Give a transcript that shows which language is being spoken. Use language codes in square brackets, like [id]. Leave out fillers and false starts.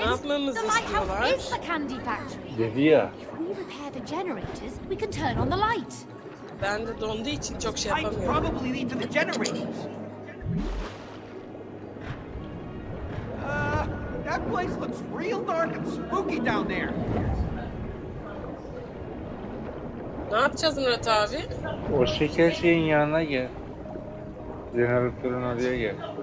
[en] The lighthouse is the candy factory. If we repair the generators, we can turn on the light. [tr] Ben de donduğu için çok şey yapamıyorum. [en] Light probably lead to the generators. That place looks real dark and spooky down there. [tr] Ne yapacağız Murat abi? O şeker şeyin yanına gel. Jeneratörün oraya gel.